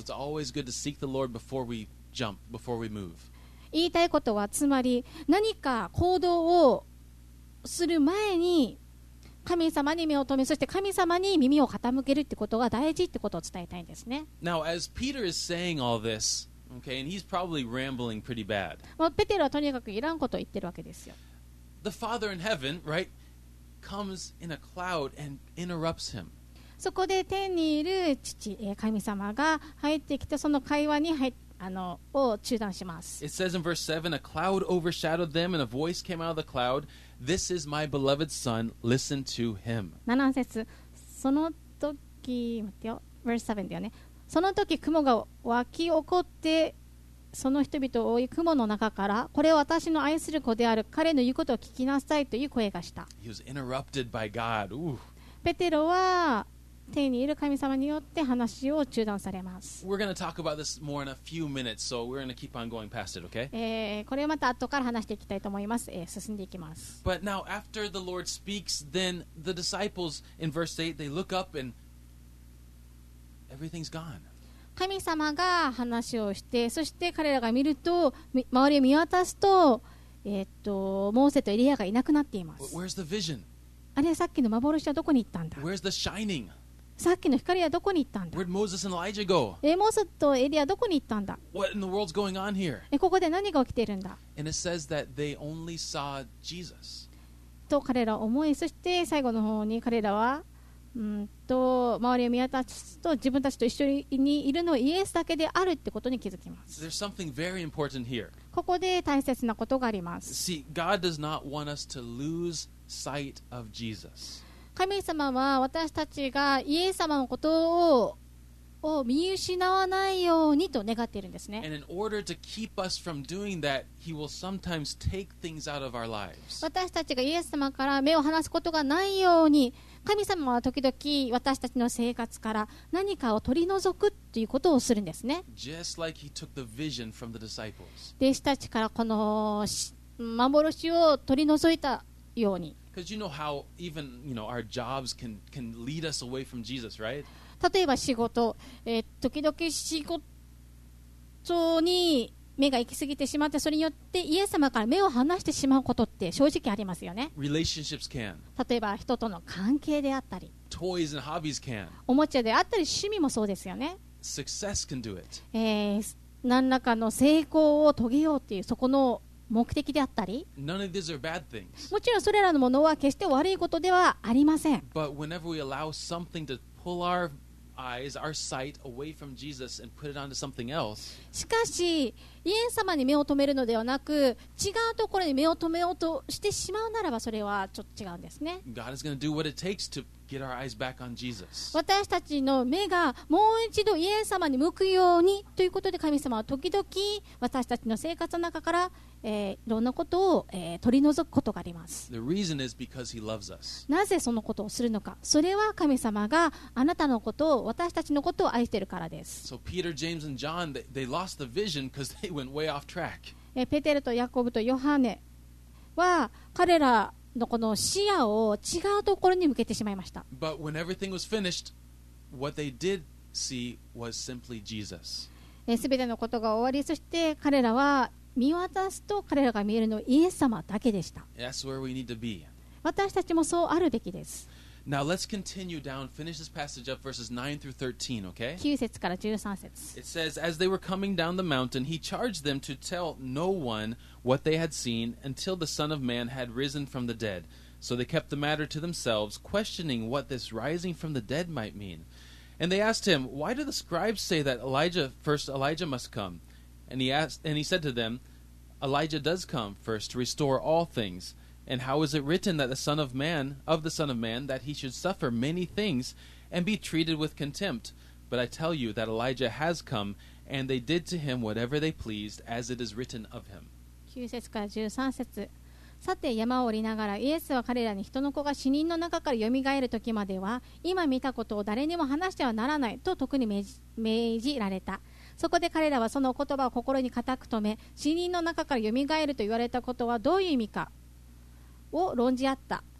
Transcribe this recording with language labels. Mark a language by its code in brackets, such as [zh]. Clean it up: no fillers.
[en] So it's always good to seek the Lord before we jump, before we move. [ja] 言いたいことは、つまり何か行動をする前に神様に目を留め、そして神様に耳を傾けるってことが大事ってことを伝えたいんですね。 [en] Now as Peter is saying all thisOkay, and he's probably rambling pretty bad. [ja] ペテロはとにかくいらんことを言ってるわけですよ。 [en] The Father in heaven, right, comes in a cloud and interrupts him. [ja] そこで天にいる父、神様が入ってきて、その会話に入あのを中断します。 [en] It says in verse 7, a cloud overshadowed them and a voice came out of the cloud. This is my beloved son, listen to him. [ja] 7節、その時、待ってよ、 [en] verse 7 [ja] だよね。その時雲が湧き起こって、その人々を追い、雲の中から、これは私の愛する子である、彼の言うことを聞きなさいという声がした。 [en] He was interrupted by God. [ja] ペテロは天にいる神様によって話を中断されます。これまた後から話していきたいと思います。進んでいきます。 [en] But now after the Lord speaks, then the disciples in verse 8, they look up andEverything's gone. [ja] 神様が話をして、そして彼らが見ると、周りを見渡すと、モーセとエリアがいなくなっています。 [en] Where's the vision? [ja] あれ、さっきの幻はどこに行ったんだ。 [en] Where's the shining? [ja] さっきの光はどこに行ったんだ。 [en] Where'd Moses and Elijah go? [ja] モーセとエリアどこに行ったんだ。 [en] What in the world's going on here? [ja] ここで何が起きているんだ。 [en] And it says that they only saw Jesus. [ja] と彼ら思い、そして最後の方に彼らは周りを見渡すと、自分たちと一緒にいるのはイエスだけであるってことに気づきます。 [en] There's something very important here. [ja] ここで大切なことがあります。 [en] See, God does not want us to lose sight of Jesus. [ja] 神様は私たちがイエス様のことを見失わないようにと願っているんですね。 [en] And in order to keep us from doing that, He will sometimes take things out of our lives. [ja] 私たちがイエス様から目を離すことがないように、神様は時々私たちの生活から何かを取り除くということをするんですね。 [en] Just like he took the vision from the disciples. [ja] 弟子たちからこの幻を取り除いたように。 [en] Because you know how even, you know, our jobs can lead us away from Jesus, right? [ja] 例えば仕事、時々仕事に目が行き過ぎてしまって、それによってイエス様から目を離してしまうことって正直ありますよね。 [en] Relationships can. [ja] 例えば人との関係であったり、 [en] Toys and hobbies can. [ja] おもちゃであったり、趣味もそうですよね。 [en] Success can do it. [ja] 何らかの成功を遂げようっていうそこの目的であったり、 [en] None of these are bad things. [ja] もちろんそれらのものは決して悪いことではありません。 [en] But whenever we allow something to pull our eyes, our sight away from Jesus and put it onto something else, [ja] しかしイエス様に目を止めるのではなく違うところに目を止めようとしてしまうならば、それはちょっと違うんですね。 [en] God is going to do what it takes to get our eyes back on Jesus. [ja] 私たちの目がもう一度イエス様に向くようにということで、神様は時々私たちの生活の中からいろんなことを取り除くことがあります。 [en] The reason is because he loves us. [ja] なぜそのことをするのか、それは神様があなたのことを、私たちのことを愛しているからです。 [en] So Peter, James and John, they lost the vision because they went way off track. [ja] ペテルとヤコブとヨハネは彼らのこの視野を違うところに向けてしまいました。 [en] But when everything was finished, what they did see was simply Jesus. [ja] 全てのことが終わり、そして彼らは見渡すと彼らが見えるのはイエス様だけでした。 [en] That's where we need to be. [ja] 私たちもそうあるべきです。 [en] Now let's continue down, finish this passage up verses 9 through 13, okay? 9 [ja] 節から13節。 [en] It says, as they were coming down the mountain, he charged them to tell no one what they had seen until the Son of Man had risen from the dead. So they kept the matter to themselves, questioning what this rising from the dead might mean. And they asked him, why do the scribes say that Elijah must come? And he said to them, Elijah does come first to restore all things. And how is it written that the Son of Man, that he should suffer many things and be treated with contempt? But I tell you that Elijah has come, and they did to him whatever they pleased, as it is written of him. [ja] 9節から13節。さて山を降りながら、イエスは彼らに人の子が死人の中からよみがえる時までは、今見たことを誰にも話してはならないと特に命じられた。そこで彼らはその言葉を心に固く留め、死人の中からよみがえると言われたことはどういう意味かを論じ合った。